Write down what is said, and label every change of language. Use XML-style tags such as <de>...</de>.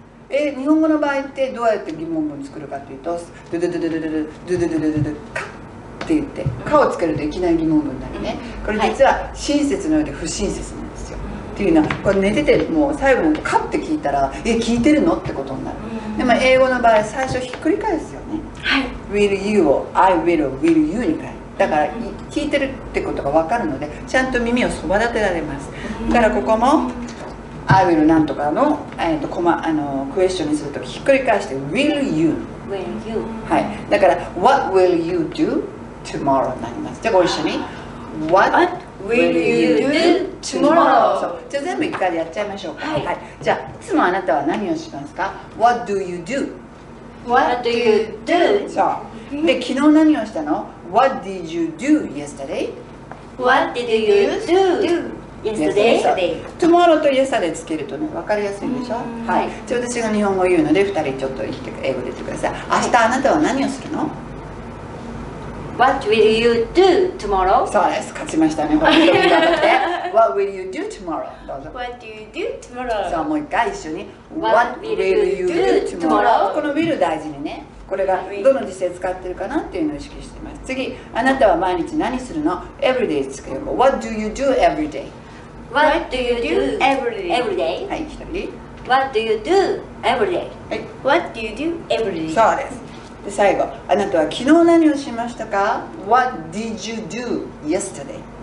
<ja>日本語の場合ってどうやって疑問文作るかというと、ドドドドドドドドドドドドドカって言って、カをつけるといきなり疑問文になるね。これ実は親切のようで不親切なんですよ。っていうのは、これ寝ててもう最後にカって聞いたら、え、聞いてるの？ってことになる。でも英語の場合、最初ひっくり返すよね。はい、 will you を I will を will you に変える。だから聞いてるってことが分かるので、ちゃんと耳をそば立てられます。だからここも I will なんとかの、クエスチョンにするときひっくり返して will you、はい、だから</ja> <en>What will you do tomorrow</en> <ja>になります。じゃあご一緒に What</ja> <en>will you do tomorrow。</en> <ja>そう、じゃあ全部一回でやっちゃいましょうか。はい、はい、じゃあいつもあなたは何をしますか。</ja> <en>What do you do What do you do?</en> <ja>そう。で、昨日何をしたの</ja> <en>?What did you do yesterday?What did you do yesterday?Tomorrow</en> <ja>と yesterday つけるとね、分かりやすいでしょ。はい。じゃあ私が日本語を言うので、2人ちょっと英語で言ってください。明日あなたは何をするの</ja> <en>?What will you do tomorrow?</en> <ja>そうです。勝ちましたね。</ja> <en>What will you do tomorrow?</en> <ja>どうぞ。</ja> <en>What will you do tomorrow?</en> <ja>そう、もう一回一緒に。</ja> <en>What will you do tomorrow?</en> <ja>この will 大事にね、これがどの時勢使ってるかなっていうのを意識してます。次、あなたは毎日何するの ?Every day つけよう。</ja> <en>What do you do every day?What do you do every day?</en> <ja>はい、一人。</ja> <en>What do you do every day?What do you do every day?</en> <ja>そうです。で、最後、あなたは昨日何をしましたか ?</ja> <en>What did you do yesterday?</en>